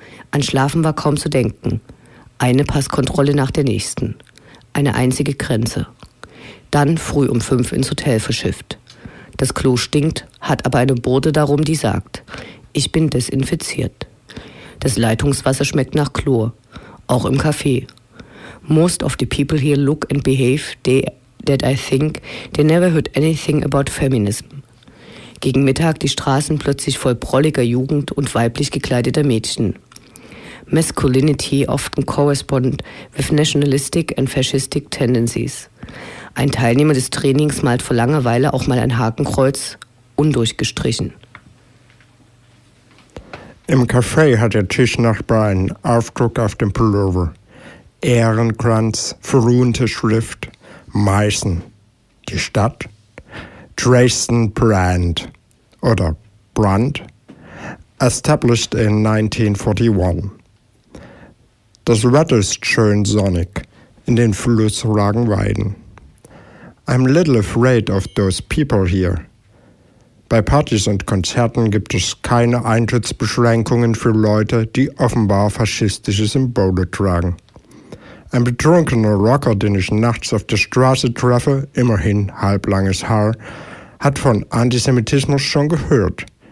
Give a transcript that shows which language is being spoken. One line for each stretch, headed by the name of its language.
German: An Schlafen war kaum zu denken. Eine Passkontrolle nach der nächsten. Eine einzige Grenze. Dann früh um 5 ins Hotel verschifft. Das Klo stinkt, hat aber eine Bürde darum, die sagt, ich bin desinfiziert. Das Leitungswasser schmeckt nach Chlor, auch im Café.
English: Most of the people here look and behave that I think they never heard anything about feminism.
German: Gegen Mittag die Straßen plötzlich voll prolliger Jugend und weiblich gekleideter Mädchen.
English: Masculinity often correspond with nationalistic and fascistic tendencies.
German: Ein Teilnehmer des Trainings malt vor Langeweile auch mal ein Hakenkreuz, undurchgestrichen. Im Café hat der Tischnachbar einen Aufdruck auf dem Pullover. Ehrenkranz, verruhnte Schrift, Meißen. Die Stadt? Dresden Brand. Oder Brand?
English: Established in 1941.
German: Das Wetter ist schön sonnig, in den Fluss ragen Weiden.
English: I'm little afraid of those people here.
German: Bei Partys und Konzerten gibt es keine Eintrittsbeschränkungen für Leute, die offenbar faschistische Symbole tragen. Ein betrunkener Rocker, den ich nachts auf der Straße treffe, immerhin halblanges Haar, hat von Antisemitismus schon gehört.